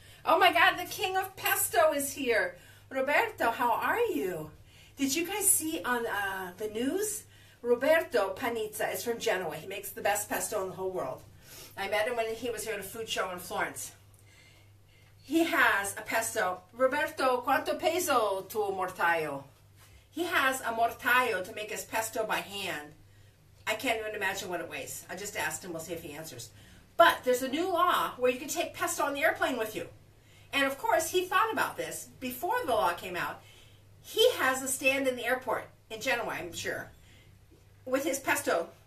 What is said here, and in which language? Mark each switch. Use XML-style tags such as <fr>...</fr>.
<en>Oh my God, the king of pesto is here. Roberto, how are you? Did you guys see on the news? Roberto Panizza is from Genoa. He makes the best pesto in the whole world. I met him when he was here at a food show in Florence. He has a pesto.</en> <it>Roberto, quanto peso tuo mortaio?</it> <en>He has a mortaio to make his pesto by hand. I can't even imagine what it weighs. I just asked him, we'll see if he answers. But there's a new law where you can take pesto on the airplane with you. And of course, he thought about this before the law came out. He has a stand in the airport in Genoa, I'm sure, with his pesto.</en>